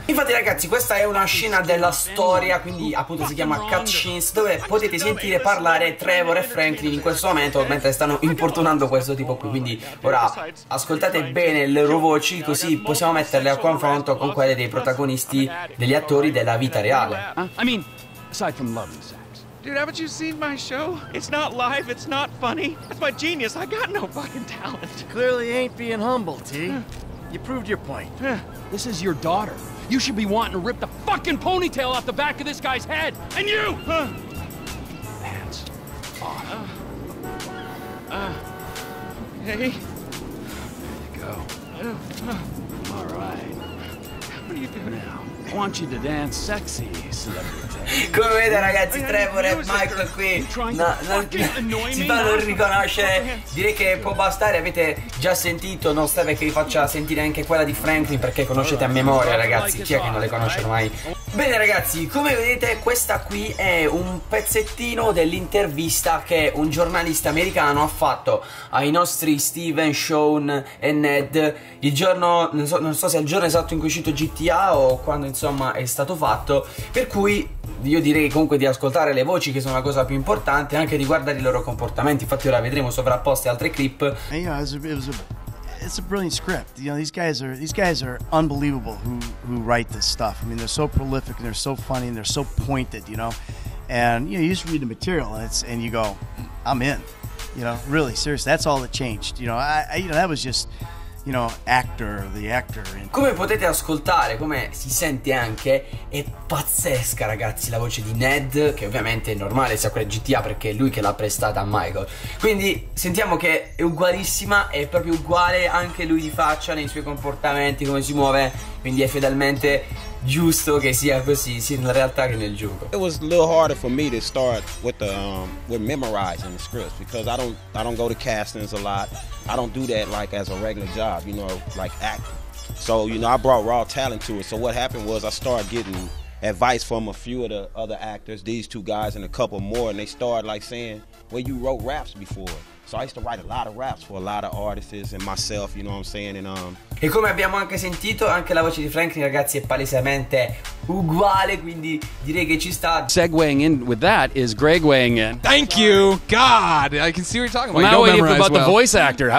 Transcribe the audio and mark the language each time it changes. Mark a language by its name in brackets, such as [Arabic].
[Italian] Infatti, ragazzi, questa è una scena della storia, quindi appunto si chiama cutscenes, dove potete sentire parlare Trevor e Franklin in questo momento mentre stanno importunando questo tipo qui. Quindi ora ascoltate bene le loro voci, così possiamo metterle a confronto con quelle dei protagonisti, degli attori della vita reale. [English] I mean, aside from love and sex. Dude, haven't you seen my show? It's not live, it's not funny. That's my genius, I got no fucking talent. Clearly ain't being humble, T. You proved your point. This is your daughter. You should be wanting to rip the fucking ponytail off the back of this guy's head. And you! That's awesome. Hey. There you go. All right. What are you doing now? I want you to dance sexy, celebrity. [Italian] Come vedete, ragazzi, Trevor e Michael qui si fanno riconoscere. Direi che può bastare, avete già sentito, non serve che vi faccia sentire anche quella di Franklin, perché conoscete a memoria, ragazzi, chi è che non le conosce ormai. Bene, ragazzi, come vedete, questa qui è un pezzettino dell'intervista che un giornalista americano ha fatto ai nostri Steven, Sean e Ned il giorno, non so se è il giorno esatto in cui è uscito GTA o quando, insomma, è stato fatto. Per cui io direi comunque di ascoltare le voci, che sono la cosa più importante, anche di guardare i loro comportamenti. Infatti ora vedremo sovrapposte altre clip. [English] Hey, you know, it's a brilliant script. You know, these guys are unbelievable who write this stuff. I mean, they're so prolific and they're so funny and they're so pointed, you know. And you know, you just read the material and you go, I'm in. You know, really, seriously, that's all that changed. You know, that was just, you know, the actor. [Italian] Come potete ascoltare, come si sente anche, è pazzesca, ragazzi, la voce di Ned, che ovviamente è normale sia quella GTA perché è lui che l'ha prestata a Michael. Quindi sentiamo che è ugualissima, è proprio uguale anche lui di faccia, nei suoi comportamenti, come si muove, quindi è fedelmente giusto che sia così, sia nella realtà che nel gioco. [English] It was a little harder for me to start with memorizing the scripts, because I don't go to castings a lot. I don't do that like as a regular job, you know, like acting. So, you know, I brought raw talent to it. So what happened was I started getting advice from a few of the other actors, these two guys and a couple more, and they started like saying, well, you wrote raps before. So I used to write a lot of raps for a lot of artists and myself, you know what I'm saying? And [Italian] E come abbiamo anche sentito, anche la voce di Franklin, ragazzi, è palesemente uguale, quindi direi che ci sta. [English] Segwaying in with that is Greg weighing in. Thank you, God. I can see what you're talking about. Well, now we have about the voice actor.